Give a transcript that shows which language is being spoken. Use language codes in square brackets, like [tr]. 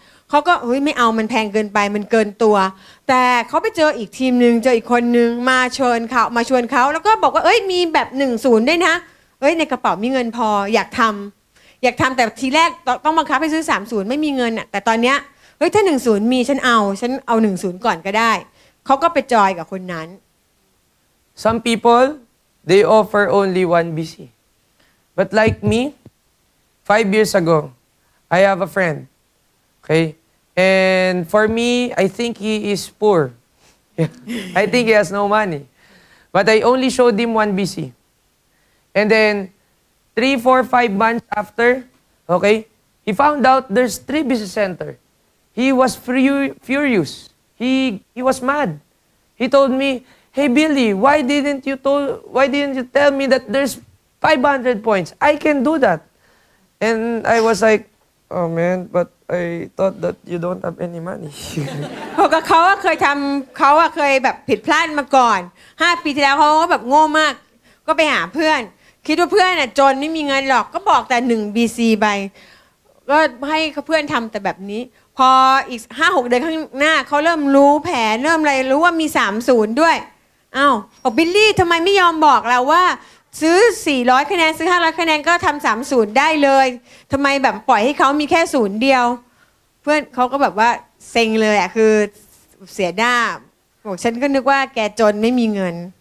[th] เขาก็เฮ้ยไม่เอามันแพงเกินไปมันเกินตัวแต่เขาไปเจออีกทีมนึงเจออีกคนนึงมาชวนเขาแล้วก็บอกว่าเอ้ยมีแบบ10ด้วยนะเอ้ยในกระเป๋ามีเงินพออยากทำแต่ทีแรกต้องบังคับให้ซื้อ30ไม่มีเงินอ่ะแต่ตอนเนี้ยเฮ้ยถ้า10มีฉันเอา10ก่อนก็ได้เขาก็ไปจอยกับคนนั้น [en] Some people they offer only 1BC but like me 5 years ago I have a friendOkay, and for me, I think he is poor. I think he has no money. But I only showed him 1BC. And then, 3, 4, 5 months after, okay, he found out there's 3BC center. He was furious. He was mad. He told me, hey Billy, why didn't you tell me that there's 500 points? I can do that. And I was like, oh man, but... I thought that you don't have any money. [th] เพราะเขาเคยทำเคยแบบผิดพลาดมาก่อน5ปีที่แล้วเขาก็แบบโง่มากก็ไปหาเพื่อนคิดว่าเพื่อนน่ะจนไม่มีเงินหรอกก็บอกแต่1 BC ไป ก็ให้เพื่อนทำแต่แบบนี้พออีก 5-6 เดือนข้างหน้าเขาเริ่มรู้แผนเริ่มอะไรรู้ว่ามี30ด้วยเอ้าบอกบิลลี่ทำไมไม่ยอมบอกเราว่าซื้อ400คะแนนซื้อ500คะแนนก็ทำ30ได้เลยทำไมแบบปล่อยให้เขามีแค่0เดียวเพื่อนเขาก็แบบว่าเซ็งเลยอ่ะคือเสียหน้าบอกฉันก็นึกว่าแกจนไม่มีเงิน